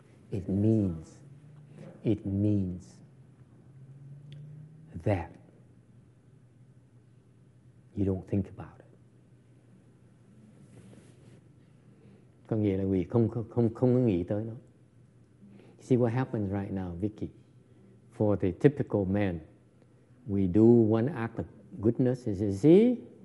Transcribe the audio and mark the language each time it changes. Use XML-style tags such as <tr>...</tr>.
<en>It means that you don't think about it.</en> <vi>Có nghĩa là vì không có nghĩ tới nó.</vi> <en>See what happens right now, Vicky. For the typical man, we do one act of goodness and say, see,</en>